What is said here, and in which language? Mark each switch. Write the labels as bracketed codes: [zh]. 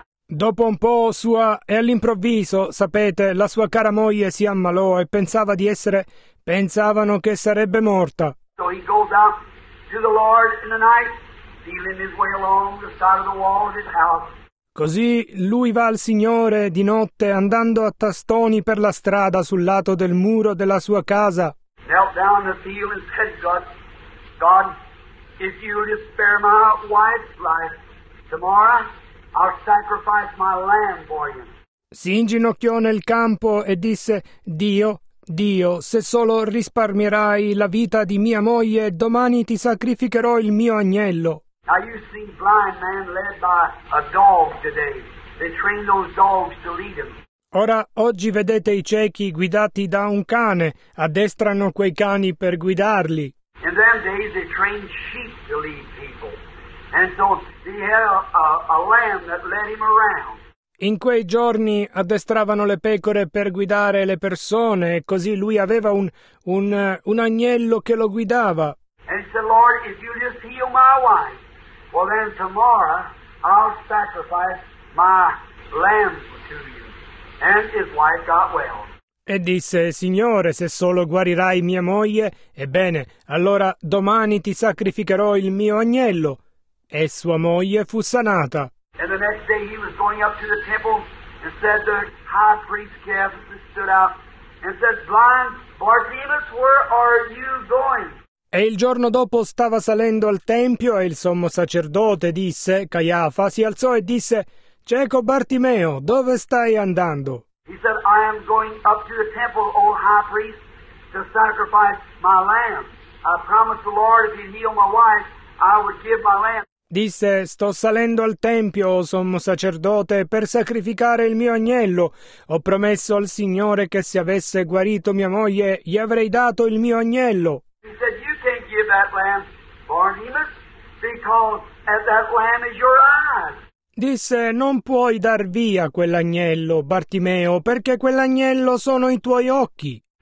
[it] Dopo un po' sua e all'improvviso, sapete, la sua cara moglie si ammalò e pensavano che sarebbe morta. [en] So he goes out to the Lord in the night, feeling his way along the side of the wall of his house. [it] Così lui va al Signore di notte andando a tastoni per la strada sul lato del muro della sua casa. [en] Knelt down to feel his head, God. If you'll just spare my wife's life tomorrow, I'll sacrifice my lamb for you. [it] Si inginocchiò nel campo e disse, Dio, Dio, se solo risparmierai la vita di mia moglie, domani ti sacrificherò il mio agnello. [en] Now you see blind man led by a dog today. They train those dogs to lead him. [it] Ora, oggi vedete i ciechi guidati da un cane, addestrano quei cani per guidarli. [en] In them days they trained sheep to lead people. And so he had a lamb that led him around. [it] In quei giorni addestravano le pecore per guidare le persone, e così lui aveva un agnello che lo guidava. [en] And he said, Lord, if you just heal my wife, well then tomorrow I'll sacrifice my lamb to you. And his wife got well. [it] E disse, Signore, se solo guarirai mia moglie, ebbene, allora domani ti sacrificherò il mio agnello. E sua moglie fu sanata. [en] And the next day he was going up to the temple and said the high priest Caiaphas stood out and said, blind Bartimaeus, where are you going? [it] E il giorno dopo stava salendo al tempio e il sommo sacerdote disse, Caiafa, si alzò e disse, cieco Bartimeo, dove stai andando? [en] He said, I am going up to the temple, O high priest, to sacrifice my lamb. I promised the Lord if he'd heal my wife, I would give my lamb. [it] Disse, sto salendo al tempio, o sommo sacerdote, per sacrificare il mio agnello. Ho promesso al Signore che se avesse guarito mia moglie, gli avrei dato il mio agnello. [en] He said, you can't give that lamb, Barnabas, because that lamb is your eyes. [it] Disse, non puoi dar via quell'agnello, Bartimeo, perché quell'agnello sono i tuoi occhi.